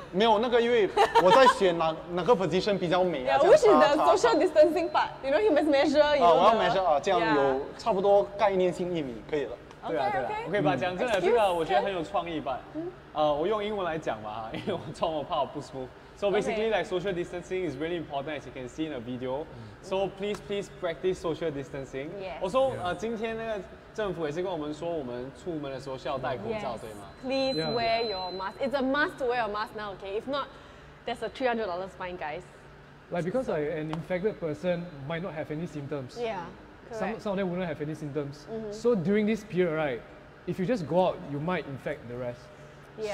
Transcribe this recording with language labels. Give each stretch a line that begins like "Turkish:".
Chinese: 没有那个，因为我在选哪个 position 比较美啊，我选的
English: social distancing part， you know he must measure，
Chinese: 啊，我要 measure 啊，这样有差不多概念性一米，可以了。对啊对啊，OK 吧，讲真的，这个我觉得很有创意吧。我用英文来讲吧，因为我中文怕我不熟。
English: So basically, like social distancing is really important, as you can see in a video. So please practice social distancing.
Chinese: 我说，今天那个政府也是跟我们说，我们出门的时候需要戴口罩，对吗
English: ？Please wear your mask. It's a must to wear your mask now, okay? If not, there's a $300 fine, guys. Like because an infected person might not have any symptoms. Yeah. Some of them wouldn't have any symptoms. Mm-hmm. So during this period, right, if you just go out, you might infect the rest. Yeah.